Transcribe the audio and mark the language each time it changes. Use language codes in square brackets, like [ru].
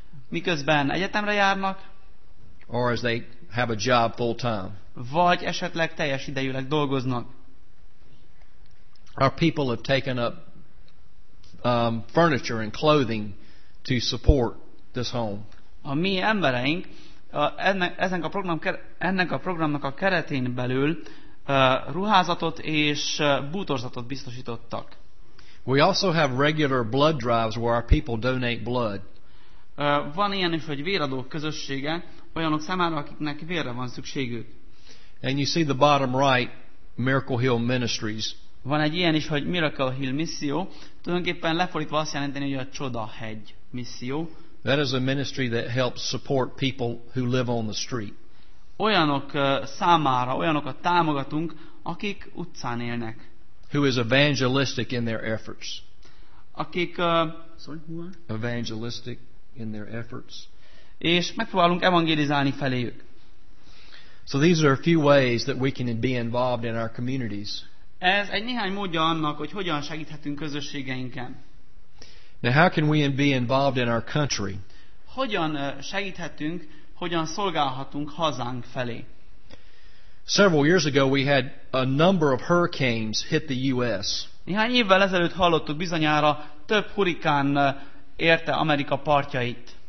[hu] miközben egyetemre járnak, [en] or as they have a job full time, [hu] vagy esetleg teljes idejűleg dolgoznak. [en] Our people have taken up furniture and clothing to support this home. [hu] A mi embereink ennek a programnak a keretén belül ruházatot és bútorzatot biztosítottak. [en] We also have regular blood drives where our people donate blood. [hu] Van ilyen is, hogy véradó közössége olyanok számára, akiknek vérre van szükségük. [en] And you see the bottom right, Miracle Hill Ministries. [hu] Van egy ilyen is, hogy Miracle Hill Misszió. Tulajdonképpen lefordítva azt jelenteni, hogy a Csodahegy Misszió. [en] That is a ministry that helps support people who live on the street. [hu] Olyanok számára, olyanokat támogatunk, akik utcán élnek. [en] Who is evangelistic in their efforts. [hu] Akik [en] evangelistic in their efforts. [hu] És megpróbálunk evangelizálni feléjük. [en] So these are a few ways that we can be involved in our communities. [hu] Ez egy néhány módja annak, hogy hogyan segíthetünk közösségeinken. [en] Now how can we be involved in our country? [hu] Hogyan segíthetünk, hogyan szolgálhatunk hazánk felé? [en] Several years ago we had a number of hurricanes hit the US. [hu] Néhány évvel ezelőtt hallottuk bizonyára, több hurrikán érte Amerika partjait.